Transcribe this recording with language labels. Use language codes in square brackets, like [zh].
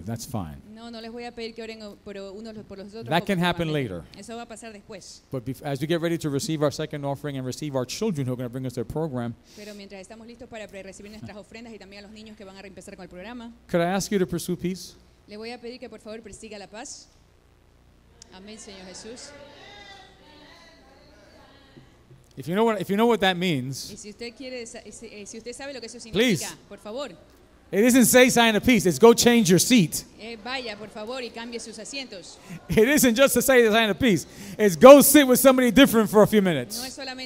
[en] That's fine. That can happen later. [es] Eso va a pasar después. [en] But as we get ready to receive our second offering and receive our children who are going to bring us their program, could I ask you to pursue peace? [es] Le voy a pedir que por favor persiga la paz. Amén, Señor Jesús. [en] If you know what that means, [es] si usted quiere, si usted sabe lo que eso significa, [en] please, [es] por favor. [en] It isn't say sign of peace, it's go change your seat. [es] Vaya, por favor, y cambie sus asientos. [en] It isn't just to say the sign of peace, it's go sit with somebody different for a few minutes.